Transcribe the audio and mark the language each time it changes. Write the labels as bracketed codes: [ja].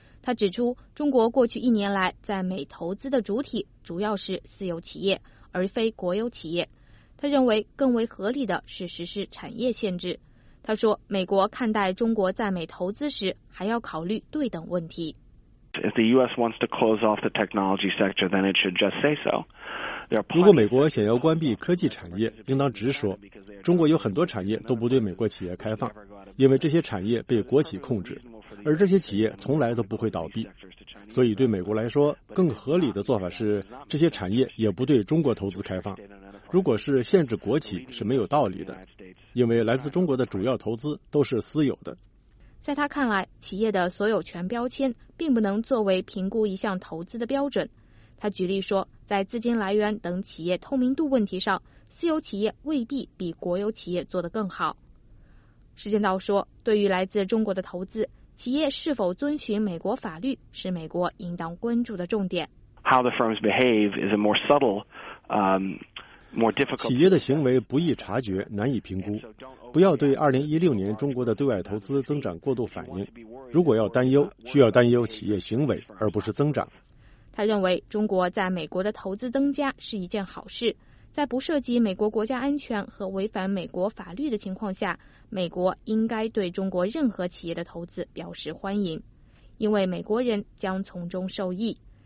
[zh] 他指出，中国过去一年来在美投资的主体主要是私有企业，而非国有企业。他认为更为合理的是实施产业限制。他说，美国看待中国在美投资时，还要考虑对等问题。 [en] If the U.S. wants to close off the technology sector, then it should just say so. [zh] 如果美国想要关闭科技产业，应当直说。中国有很多产业都不对美国企业开放，因为这些产业被国企控制，而这些企业从来都不会倒闭。所以对美国来说，更合理的做法是，这些产业也不对中国投资开放。如果是限制国企是没有道理的，因为来自中国的主要投资都是私有的。在他看来，企业的所有权标签并不能作为评估一项投资的标准。他举例说，在资金来源等企业透明度问题上，私有企业未必比国有企业做得更好。石坚道说，对于来自中国的投资，企业是否遵循美国法律是美国应当关注的重点。 [en] How the firms behave is a more subtle, more difficult. [zh] 企业的行为不易察觉，难以评估。不要对2016年中国的对外投资增长过度反应。如果要担忧，需要担忧企业行为而不是增长。他认为，中国在美国的投资增加是一件好事。在不涉及美国国家安全和违反美国法律的情况下，美国应该对中国任何企业的投资表示欢迎，因为美国人将从中受益。